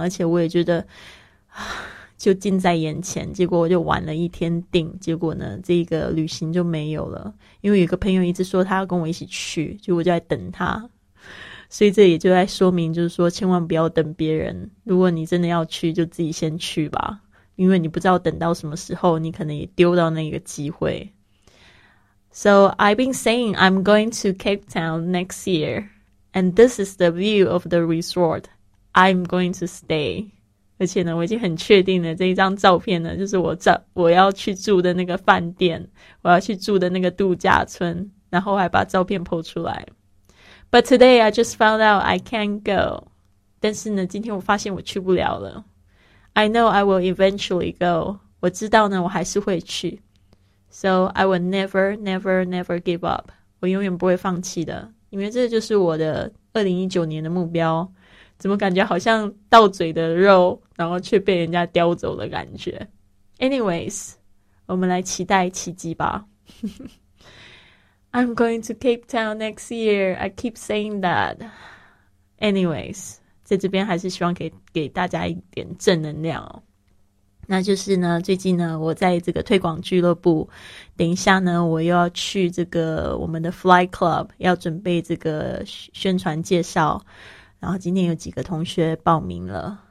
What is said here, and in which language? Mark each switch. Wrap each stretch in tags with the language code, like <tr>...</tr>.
<zh>而且我也觉得就近在眼前，结果我就晚了一天订，结果呢这个旅行就没有了。因为有个朋友一直说他要跟我一起去，结果我就在等他，所以这也就在说明，就是说千万不要等别人，如果你真的要去就自己先去吧，因为你不知道等到什么时候，你可能也丢到那个机会。</zh> <en>So I've been saying I'm going to Cape Town next year, and this is the view of the resort I'm going to stay.</en> <zh>而且呢，我已经很确定了，这一张照片呢，就是我要去住的那个饭店，我要去住的那个度假村，然后还把照片 po 出来。</zh> <en>But today I just found out I can't go.</en> <zh>但是呢，今天我发现我去不了了。</zh> <en>I know I will eventually go.</en> <zh>我知道呢，我还是会去。</zh> <en>So I will never, never, never give up.</en> <zh>我永远不会放弃的，因为这就是我的2019年的目标。怎么感觉好像到嘴的肉，然后却被人家叼走的感觉。 Anyways, 我们来期待奇迹吧。</zh> <en>I'm going to Cape Town next year. I keep saying that. Anyways,</en> <zh>在这边还是希望给大家一点正能量哦。那就是呢，最近呢，我在这个推广俱乐部，等一下呢，我又要去这个我们的 Fly Club， 要准备这个宣传介绍，然后今天有几个同学报名了。</zh>